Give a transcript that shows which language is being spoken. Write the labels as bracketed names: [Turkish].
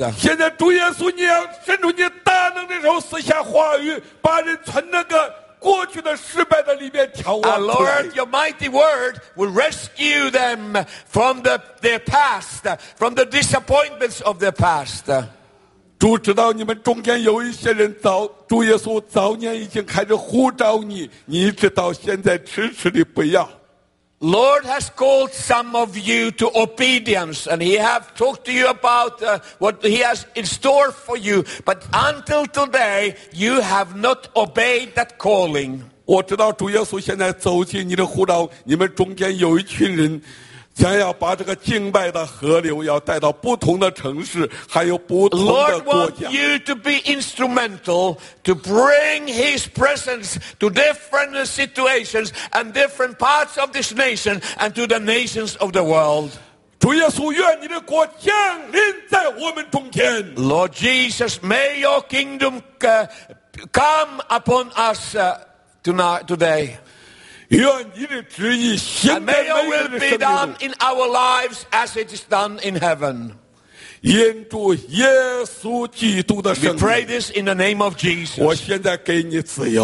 [English] Lord, your mighty word will rescue them from their past, from the disappointments of their past. [Chinese] 主知道你们中间有一些人早主耶稣早年已经开始呼召你你直到现在迟迟地不要 [English] Lord has called some of you to obedience and he have talked to you about what he has in store for you but until today you have not obeyed that calling [Chinese] 我知道主耶稣现在走进你的呼召你们中间有一群人想要把这个敬拜的河流要带到不同的城市还有不同的国家 [English] Lord wants you to be instrumental to bring his presence to different situations and different parts of this nation and to the nations of the world [Chinese] 主耶稣愿你的国降临在我们中间 [English] Lord Jesus may your kingdom come upon us today And may your will be done in our lives as it is done in heaven. We pray this in the name of Jesus.